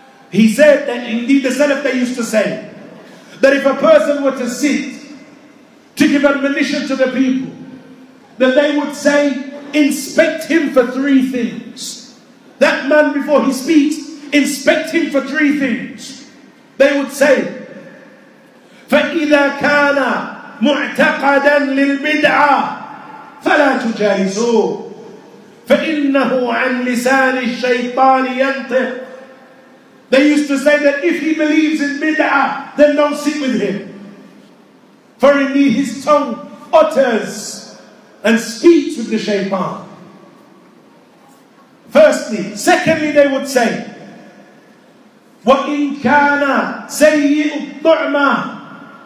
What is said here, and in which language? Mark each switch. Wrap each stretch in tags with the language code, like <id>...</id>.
<en>He said that indeed the Salaf they used to say that if a person were to sit to give admonition to the people, then they would say, inspect him for three things. That man before he speaks, inspect him for three things. They would say,</en> <ar>فَإِذَا كَانَ مُعْتَقَدًا لِلْبِدْعَى فَلَا تُجَالِسُوهُ فَإِنَّهُ عَنْ لِسَانِ الشَّيْطَانِ يَنْطِقُ.</ar> <en>They used to say that if he believes in bid'ah, then don't sit with him. For indeed his tongue utters and speaks with the shaytan. Firstly. Secondly, they would say,</en> <ar>وَإِنْ كَانَ سَيِّئُ الطُّعْمَ.</ar>